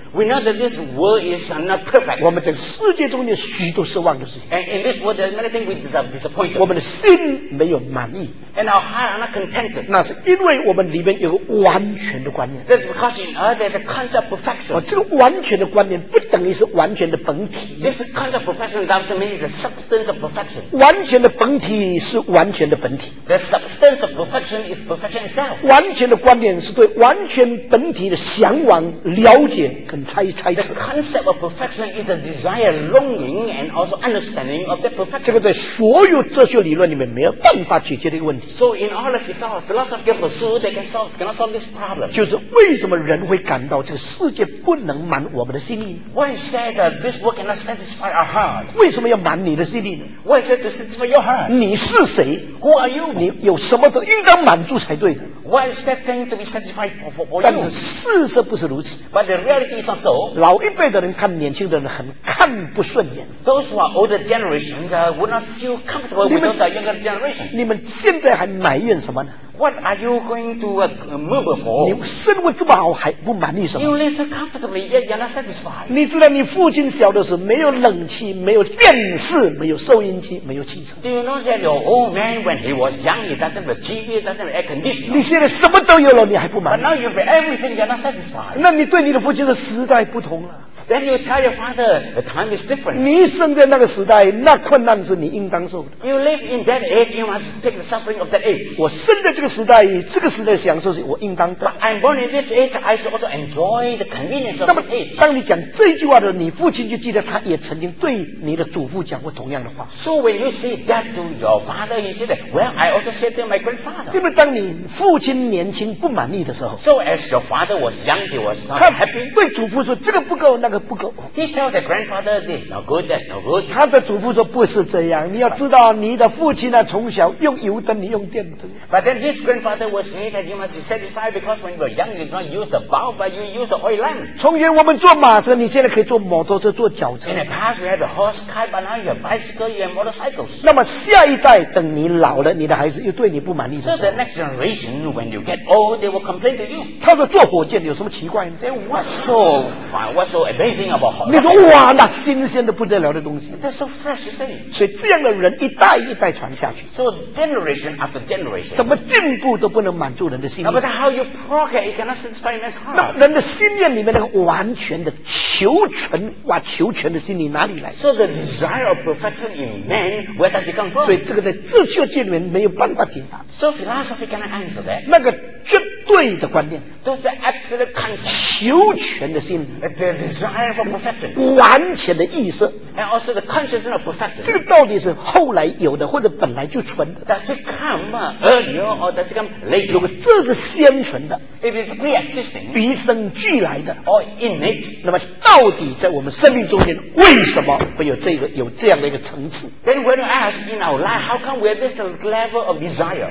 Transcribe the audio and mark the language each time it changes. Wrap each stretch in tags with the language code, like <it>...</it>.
<en>We know that this world is not perfect.</en> <zh>我们在世界中间许多失望的事情。</zh> <en>And in this world, there are many things we deserve disappointed.</en> <zh>我们的心没有满意。</zh> <en>And our heart are not contented.</en> <zh>那是因为我们里面有个完全的观念。</zh> <en>That's because in us there's a concept of perfection.</en> <zh>这个完全的观念不等。等于是完全的本体。</zh> <en>This kind of perfection doesn't mean the substance of perfection.</en> <zh>完全的本体是完全的本体。</zh> <en>The substance of perfection is perfection itself.</en> <zh>完全的观点是对完全本体的向往、了解跟猜测。</zh> <en>The concept of perfection is the desire, longing, and also understanding of that perfection.</en> <zh>这个在所有哲学理论里面没有办法解决的一个问题。</zh> <en>So in all of his philosophy of pursuit, they can solve, cannot solve this problem.</en> <zh>就是为什么人会感到这个世界不能满我们的心灵？</zh> <en>Why is it that this world cannot satisfy our heart?</en> <zh>为什么要满你的心灵？</zh> <en>Why is it to satisfy your heart?</en> <zh>你是谁？</zh> <en>Who are you?</en> <zh>你有什么都应当满足才对的。</zh> <en>Why is that thing to be satisfied for you?</en> <zh>但是事实不是如此。</zh> <en>But the reality is not so.</en> <zh>老一辈的人看年轻的人很看不顺眼。</zh> <en>Those who are older generations would not feel comfortable with those are younger generations.</en> <zh>你们现在还埋怨什么呢？</zh> <en>What are you going to murmur for?</en> <zh>你生活这么好还不满意什么？</zh> <en>You live so comfortably, yet you're not satisfied.</en> <zh>你知道你父亲小的时候没有冷气，没有电视，没有收音机，没有汽车。</zh> <en>Do you know that your old man, when he was young, he doesn't have TV, doesn't have air conditioning?</en> <zh>你现在什么都有了，你还不满意？</zh> <en>But now you have everything, you're not satisfied.</en> <zh>那你对你的父亲的时代不同了。</zh> <en>Then you tell your father, the time is different.</en> <zh>你生在那个时代，那困难是你应当受的。</zh> <en>You live in that age, you must take the suffering of that age.</en> <zh>我生在这个时代，这个时代享受是我应当的。</zh> <en>But I'm born in this age, I should also enjoy the convenience of this age.</en> <zh>那么，当你讲这句话的时候，你父亲就记得他也曾经对你的祖父讲过同样的话。</zh> <en>So when you say that to your father, he said, well, I also said to my grandfather.</en> <zh>那么，当你父亲年轻不满意的时候</zh> <en>，So as your father was young, he was not happy.</en> <zh>他对祖父说这个不够，那个。不够。</zh> <en>He told the grandfather this not good, that's not good.</en> <zh>他的祖父说不是这样，你要知道你的父亲呢、啊，从小用油灯，你用电灯。</zh> <en>But then his grandfather was saying that you must be satisfied because when you were young, you did not use the bulb, but you used the oil lamp.</en> <zh>从前我们坐马车，你现在可以坐摩托车、坐脚车。</zh> <en>In the past we had a horse car, but now you have bicycle, you have motorcycles.</en> <zh>那么下一代等你老了，你的孩子又对你不满意。</zh> <en>So the next generation, when you get old, they will complain to you.</en> <zh>他说坐火箭有什么奇怪呢？</zh> <en>Say what's so fun, what's so amazing?</en> <zh>你说哇，那新鲜的不得了的东西。</zh> <en>That's so fresh, you say.</en> <zh>所以这样的人一代一代传下去。</zh> <en>So generation after generation.</en> <zh>怎么进步都不能满足人的心。</zh> <en>But how you progress, it cannot satisfy man's heart.</en> <zh>那人的心愿里面那个完全的求全哇，求全的心理哪里来</zh> <en>？So the desire of perfection in man, where does it come from?</en> <zh>所以这个在哲学界里面没有办法解答。</zh> <en>So philosophy cannot answer that.</en> <zh>那个绝对的观念。</zh> <en>That's the absolute concept.</en> <zh>求全的心理。</zh> <en>The desire.</en> <zh>完全的意识</zh> <en>and also the consciousness of perfection.</en> <zh>这个到底是后来有的或者本来就存的？</zh> <en>Does it come earlier or does it come later?</en> <zh>如果这是先存的，</zh> <en>it is pre-existing,</en> <zh>与生俱来的，</zh> <en>or innate,</en> <zh>那么到底在我们生命中间为什么会有这个有这样的一个层次？</zh> <en>Then when you ask in our life, how come we have this level of desire?</en>